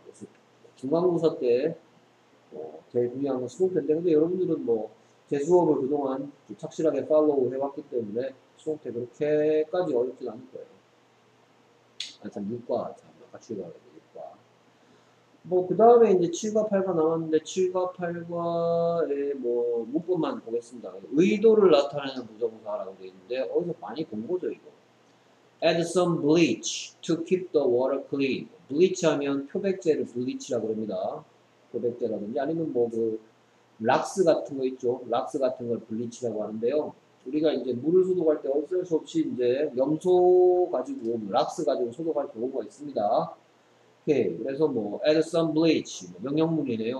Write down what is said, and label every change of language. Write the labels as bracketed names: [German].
[Korean] 그래서 중간고사 때 제일 중요한 건 수동태인데 근데 여러분들은 뭐제 수업을 그동안 착실하게 팔로우 해왔기 때문에 수동태 그렇게까지 어렵진 않을 거예요. 아참 6과 참 같이 가야 돼 6과. 뭐그 다음에 이제 7과 8과 남았는데 7과 8과의 뭐 문법만 보겠습니다. 의도를 나타내는 부정사라고 되어 있는데 어디서 많이 본 거죠 이거. [English] Add some bleach to keep the water clean. [Korean] Bleach 하면 표백제를 bleach라고 합니다. 표백제라든지 아니면 뭐그 락스 같은 거 있죠. 락스 같은 걸 bleach라고 하는데요. 우리가 이제 물을 소독할 때 어쩔 수 없이 이제 염소 가지고 락스 가지고 소독할 경우가 있습니다. 오케이. 그래서 뭐 [English] add some bleach [Korean] 명령문이네요.